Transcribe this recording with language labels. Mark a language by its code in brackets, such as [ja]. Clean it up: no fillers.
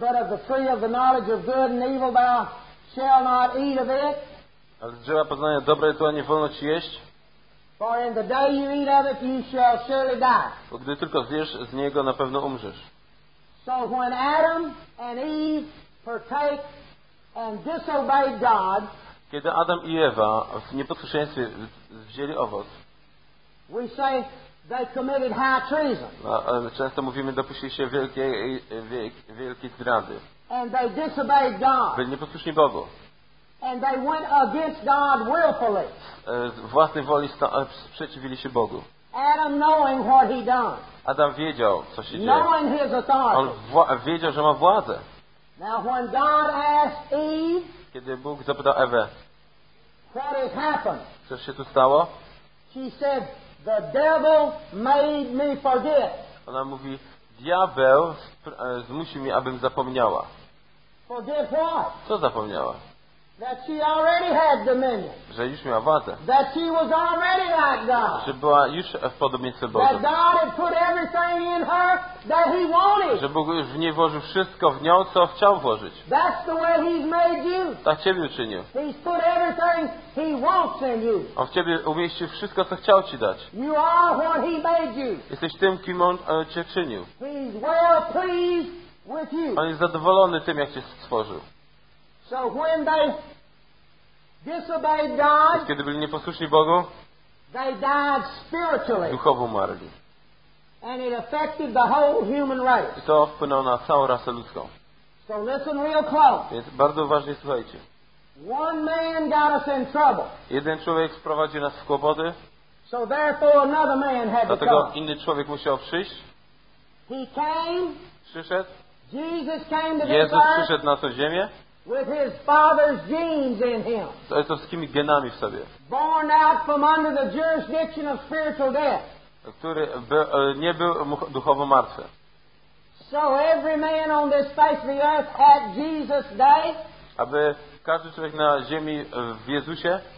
[en] But of the tree of the knowledge of good and evil thou shall not eat of it. [pl] Ale drzewa poznania dobra i zła nie wolno ci jeść. [en] For in the day you eat of it you shall surely die. [pl] Bo gdy tylko zjesz z niego na pewno umrzesz. [en] So when Adam and Eve partake and disobeyed God. [pl] Kiedy Adam i Ewa w nieposłuszeństwie wzięli owoc. [en] We say they committed high treason. [pl] Często mówimy, dopuścili się wielkiej zdrady. [en] And they disobeyed God. [pl] Byli nieposłuszni Bogu. [en] And they went against God willfully. [pl] Z własnej woli sprzeciwili się Bogu. [en] Adam knowing what he done. [pl] Adam wiedział, co się [en] knowing [pl] dzieje. [en] Knowing his authority. [pl] On wiedział, że ma władzę. [en] Now when God asked Eve. [pl] Kiedy Bóg zapytał Ewę. [en] What has happened? [pl] Co się tu stało? [en] She said, "The devil made me forget." [pl] Ona mówi, diabeł zmusił mnie, abym zapomniała. [en] Forget what? [pl] Co zapomniała? [en] That she already had dominion. [pl] Że już miała władzę. [en] That she was already like God. [pl] Że była już w podobieństwie Bożym. [en] That God had put everything in her that He wanted. [pl] Że Bóg już w niej włożył wszystko w nią, co chciał włożyć. [en] That's the way He's made you. [pl] Tak ciebie uczynił. [en] He's put everything He wants in you. [pl] On w ciebie umieścił wszystko, co chciał ci dać. [en] You are what He made you. [pl] Jesteś tym, kim On cię czynił. [en] He's well pleased with you. [pl] On jest zadowolony tym, jak cię stworzył. [en] So when they disobeyed God, [pl] kiedy byli nieposłuszni Bogu, [en] they died spiritually. [pl] Duchowo umarli. [en] And it affected the whole human race. [pl] I to wpłynęło na całą rasę ludzką. [en] So listen real close. [pl] Więc bardzo uważnie słuchajcie. [en] One man got us in trouble. [pl] Jeden człowiek wprowadził nas w kłopoty. [en] So therefore another man had [pl] dlatego [en] to come. [pl] Inny człowiek musiał przyjść. [en] He came. [pl] Przyszedł. [en] Jesus came to [pl] Jezus przyszedł na tę ziemię. [en] with his father's genes in him. [pl] Z ojcowskimi genami w sobie. [en] Born out from under the jurisdiction of spiritual death. [pl] Który był, nie był duchowo martwy. [en] So every man on this face of the earth at Jesus' day. [pl] Aby każdy człowiek na ziemi w Jezusie.